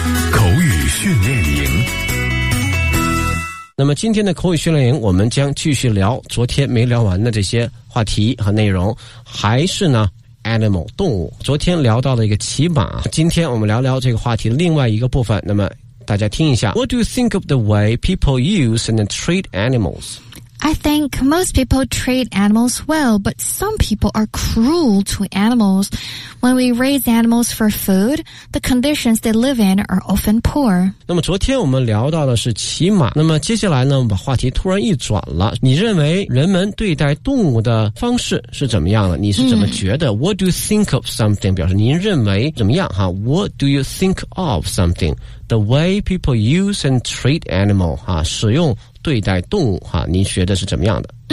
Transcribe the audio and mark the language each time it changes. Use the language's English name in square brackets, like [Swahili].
[Chinese] 口语训练营。那么今天的口语训练营，我们将继续聊昨天没聊完的这些话题和内容，还是呢？ Animal 动物，昨天聊到了一个骑马，今天我们聊聊这个话题的另外一个部分。那么大家听一下 [English] What do you think of the way people use and treat animals? I think most people treat animals well, but some people are cruel to animals. When we raise animals for food, the conditions they live in are often poor. [Chinese] 那么昨天我们聊到的是骑马，那么接下来呢，我们把话题突然一转了。你认为人们对待动物的方式是怎么样的？你是怎么觉得？ [English] What do you think of something? [Chinese] 表示您认为怎么样哈 ？ [English] What do you think of something? The way people use and treat animal [Chinese] 哈，使用对待动物哈，您觉得是怎么样的？